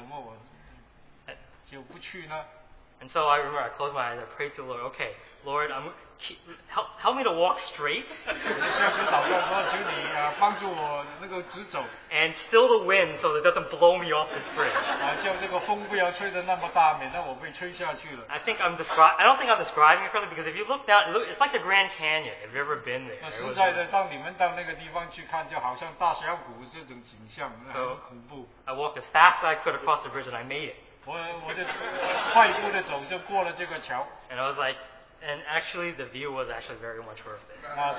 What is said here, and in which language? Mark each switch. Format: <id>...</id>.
<zh>我就是这样子待了五分钟，然后我想，我们整个的旅行这个是最重要的一个部分，那为什么我就不去呢？</zh> <en>And so I remember I closed my eyes, I prayed to the Lord, okay, Lord, help me to walk straight. And still the wind so that it doesn't blow me off this bridge. I don't think I'm describing it correctly because if you look down, it's like the Grand Canyon, if you've ever been there. I walked as fast as I could across the bridge and I made it.</en> <zh>我就快步的走就过了这个桥。</zh> <en>And I was like, and actually the view was actually very much worth it.</en>